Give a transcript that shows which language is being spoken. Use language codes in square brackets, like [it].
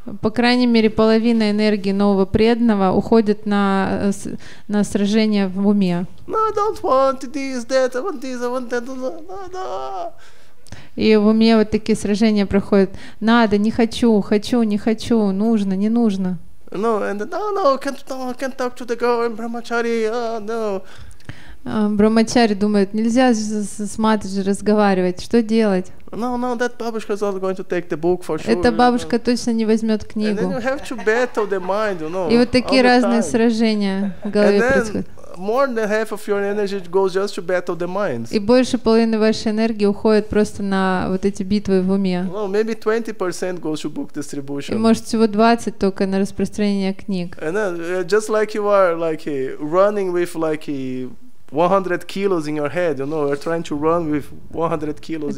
[ru] По крайней мере, половина энергии нового преданного уходит на сражение в уме. [en] No, I don't want this, that, I want this, I want that, no. [ru] И в уме вот такие сражения проходят. Надо, не хочу, хочу, не хочу, нужно, не нужно. [en] No, and can't talk to the girl in Brahmachari, no. [ru] Брахмачари думает, нельзя с матриджи разговаривать, что делать? [en] No, no, that бабушка is not going to take the book for sure. [ru] Эта бабушка точно не возьмет книгу. [en] And then you have to battle the mind, you know. [ru] И вот такие разные сражения в голове происходят. [en] More than half of your energy goes just to battle the mind. [ru] И больше половины вашей энергии уходит просто на вот эти битвы в уме. [en] No, maybe 20% goes to book distribution. [ru] И может всего 20 только на распространение книг. [en] And then, just like you are like running with like 100 kilos in your head, you know, you're trying to run with 100 kilos in your head.